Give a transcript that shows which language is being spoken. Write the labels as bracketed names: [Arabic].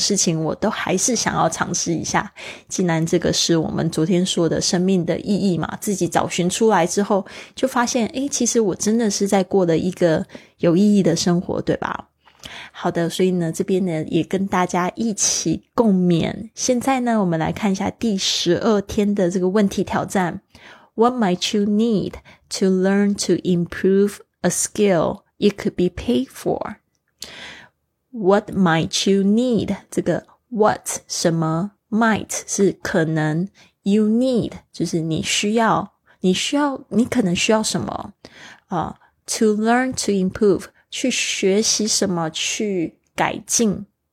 [Chinese] 事情我都还是想要尝试一下。既然这个是我们昨天说的生命的意义嘛，自己找寻出来之后就发现，诶，其实我真的是在过了一个有意义的生活，对吧？好的，所以呢，这边呢也跟大家一起共勉。现在呢，我们来看一下第12天的这个问题挑战。 [English] What might you need to learn to improve a skill you could be paid for? What might you need? [Chinese] 这个 what 什么 might 是可能 [English] you need [Chinese] 就是你需要你可能需要什么、 [English] to learn to improve [Chinese] 去学习什么去改进